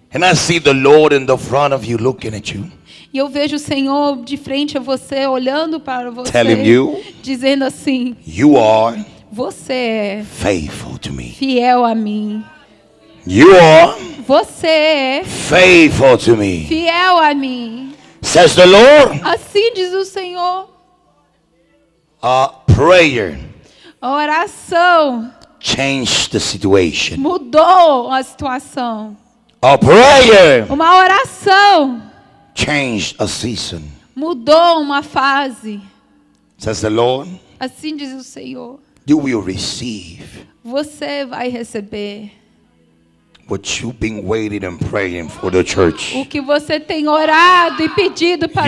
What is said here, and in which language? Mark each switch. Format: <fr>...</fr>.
<en>And I see the Lord in the front of you looking at you.</en> <pt>E eu vejo o Senhor de frente a você olhando para você.</pt> <en>Telling you.</en> <pt>Dizendo assim.</pt> <en>You are.</en> <pt>Você é.</pt> <en>Faithful to me.</en> <pt>Fiel a mim.</pt> <en>You are.</en> <pt>Você é.</pt> <en>Faithful to me.</en> <pt>Fiel a mim.</pt> <en>Says the Lord.</en> <pt>Assim diz o Senhor.</pt> <en>A prayer.</en> <pt>Oração.</pt> <en>Changed the situation.</en> <pt>Mudou a situação.</pt> <en>A prayer.</en> <pt>Uma oração.</pt> <en>Changed a season.</en> <pt>Mudou uma fase.</pt> <en>Says the Lord.</en> <pt>Assim diz o Senhor.</pt> <en>You will receive.</en> <pt>Você vai receber.</pt> <en>What you've been waiting and praying for the church.</en> <pt>O que você tem orado e pedido para</pt>